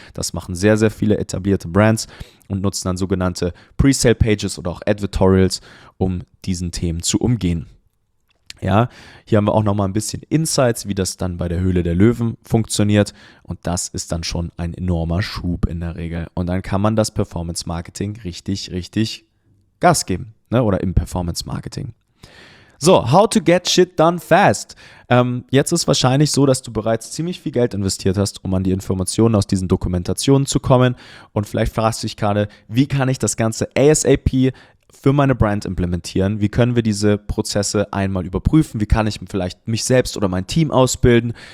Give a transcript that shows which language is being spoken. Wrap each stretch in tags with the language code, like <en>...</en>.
<de>Das machen sehr, sehr viele etablierte Brands und nutzen dann sogenannte Pre-Sale-Pages oder auch Advertorials, um diesen Themen zu umgehen. Ja, hier haben wir auch nochmal ein bisschen Insights, wie das dann bei der Höhle der Löwen funktioniert. Und das ist dann schon ein enormer Schub in der Regel. Und dann kann man das Performance-Marketing richtig, richtig Gas geben, ne? Oder im Performance-Marketing.</de> <en>So, how to get shit done fast.</en> <de>Jetzt ist wahrscheinlich so, dass du bereits ziemlich viel Geld investiert hast, um an die Informationen aus diesen Dokumentationen zu kommen. Und vielleicht fragst du dich gerade, wie kann ich das Ganze ASAP für meine Brand implementieren? Wie können wir diese Prozesse einmal überprüfen? Wie kann ich vielleicht mich selbst oder mein Team ausbilden?</de>